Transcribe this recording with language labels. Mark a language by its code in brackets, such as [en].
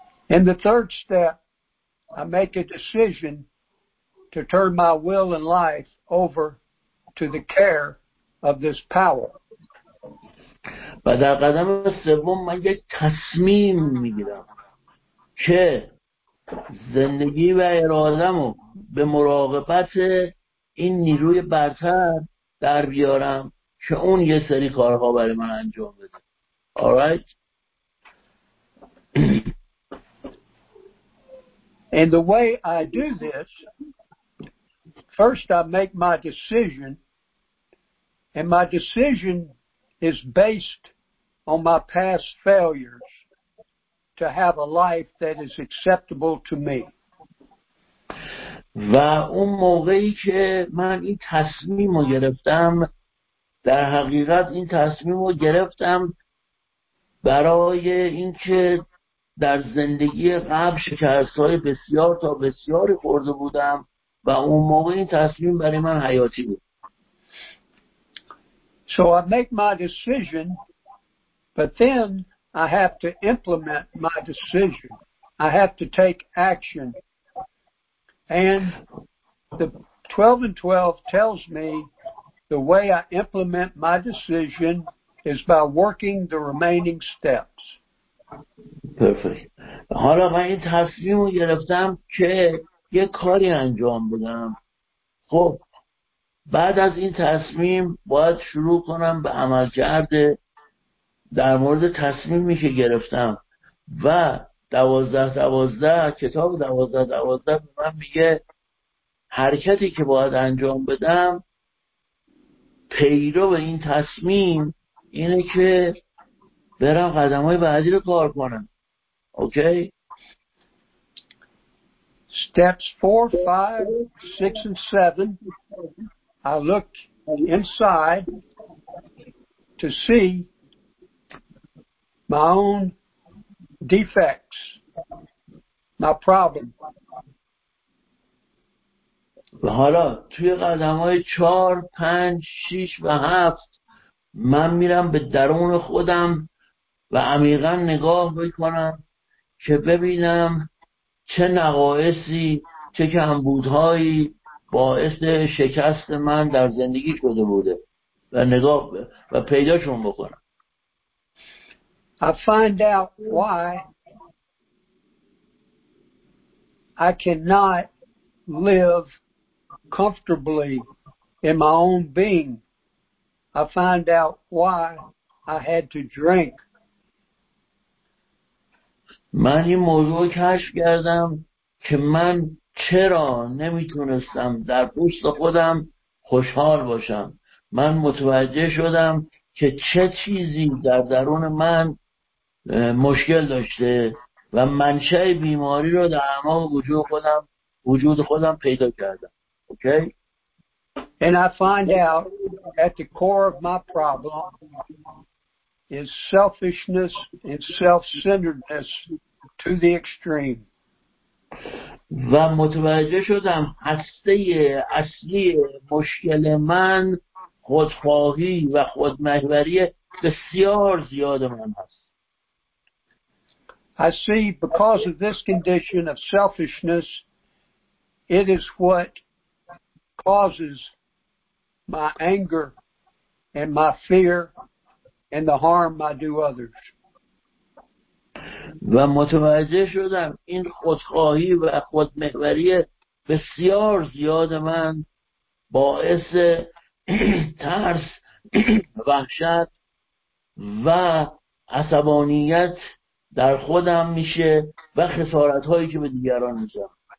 [en] In the third step, I make a decision to turn my will and life over to the care of this power. [fa] و در قدم سوم من یک تصمیم میگیرم که زندگی و ارادمو به مراقبت این نیروی برتر در بیارم که اون یه سری کارها برای من انجام بده. [en] All right. And the way I do this, first I make my decision, and my decision is based on my past failures to have a life that is acceptable to me. [fa] و اون موقعی که من این تصمیم رو گرفتم، در حقیقت این تصمیم رو گرفتم برای اینکه در زندگی قبل شکست‌های بسیار تا بسیاری خورده بودم و اون موقع این تصمیم برای من حیاتی بود. [en] So I make my decision, but then I have to implement my decision. I have to take action. And the 12 and 12 tells me the way I implement my decision is by working the remaining steps. Perfect. [fa] حالا من این تصمیم رو گرفتم که یه کاری انجام بدم. خب بعد از این تصمیم باید شروع کنم به عمل کرده در مورد تصمیمی که گرفتم و دوازده دوازده کتاب دوازده دوازده به من میگه حرکتی که باید انجام بدم پیرو به این تصمیم اینه که برم قدم‌های بعدی رو کار کنم. [en] Okay? Steps 4, 5, 6, and 7 I look inside to see my own defects, my problem. [fa] و حالا توی قدم‌های [en] 4, 5, 6, and 7 [fa] من میرم به درون خودم و عمیقا نگاه بکنم که ببینم چه نقایصی، چه کمبودهایی باعث شکست من در زندگی شده بوده و نگاه و پیداشون بکنم. [en] I find out why I cannot live comfortably in my own being. I find out why I had to drink. [fa] من این موضوع رو کشف کردم که من چرا نمیتونستم در پوست خودم خوشحال باشم. من متوجه شدم که چه چیزی در درون من مشکل داشته و منشأ بیماری رو در اعماق وجود خودم پیدا کردم. [en] Okay? And I find out at the core of my problem is selfishness and self-centeredness to the extreme. [fa] و متوجه شدم هسته اصلی مشکل من خودخواهی و خودمحوری بسیار زیاد من هست. I see because of this condition of selfishness, it is what causes my anger and my fear and the harm I do others. و متوجه شدم این خودخواهی و خودمحوری بسیار زیاد من باعث ترس وحشت و عصبانیت در خودم میشه و خسارت هایی که به دیگران میزنم.